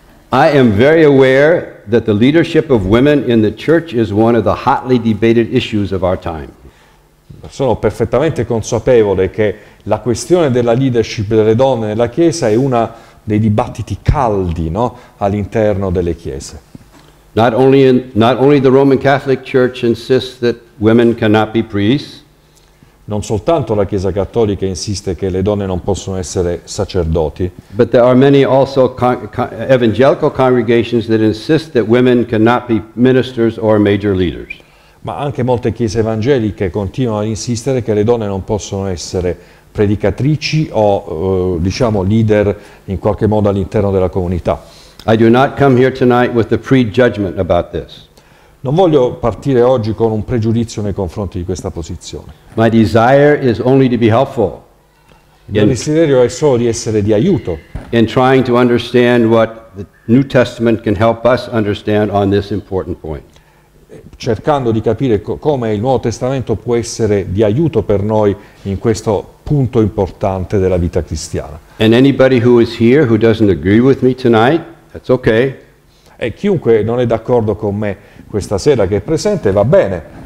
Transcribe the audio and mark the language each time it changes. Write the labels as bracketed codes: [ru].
[en] I am very aware that the leadership of women in the church is one of the hotly debated issues of our time. [it] Sono perfettamente consapevole che la questione della leadership delle donne nella Chiesa è una dei dibattiti caldi, no, all'interno delle chiese. [en] Not only the Roman Catholic Church insists that women cannot be priests. [it] Non soltanto la Chiesa Cattolica insiste che le donne non possono essere sacerdoti. [en] But there are many also evangelical congregations that insist that women cannot be ministers or major leaders. [it] Ma anche molte chiese evangeliche continuano ad insistere che le donne non possono essere predicatrici o diciamo leader in qualche modo all'interno della comunità. [en] I do not come here tonight with a prejudgment about this. [it] Non voglio partire oggi con un pregiudizio nei confronti di questa posizione. [en] My desire is only to be helpful. [it] Il mio desiderio è solo di essere di aiuto. [en] In trying to understand what the New Testament can help us understand on this important point. [it] Cercando di capire come il Nuovo Testamento può essere di aiuto per noi in questo punto importante della vita cristiana. [en] And anybody who is here who doesn't agree with me tonight, that's okay. [it] E chiunque non è d'accordo con me questa sera che è presente, va bene.